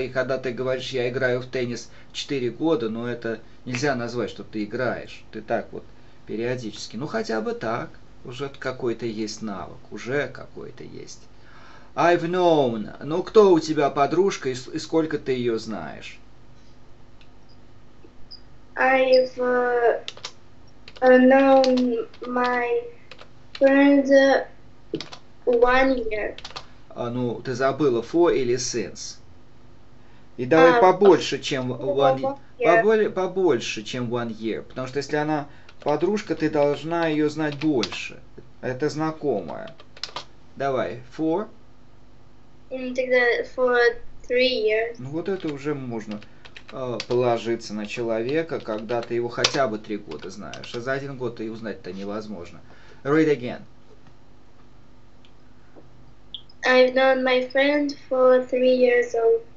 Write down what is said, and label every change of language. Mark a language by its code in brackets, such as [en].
[ru] И когда ты говоришь, я играю в теннис 4 года, но это нельзя назвать, что ты играешь. Ты так вот периодически. Ну хотя бы так, уже какой-то есть навык, уже какой-то есть. [en] I've known. [ru] Ну кто у тебя подружка и сколько ты ее знаешь? [en] I've known my friend one year. [ru] А ну, ты забыла for или since? И давай побольше, чем one, побольше, чем 1 year. Потому что если она подружка, ты должна ее знать больше. Это знакомая. Давай, for. Тогда [en] for 3 years. [ru] Ну вот это уже можно положиться на человека, когда ты его хотя бы 3 года знаешь. А за 1 год ты узнать-то невозможно. [en] Read again. I've known my friend for 3 years old.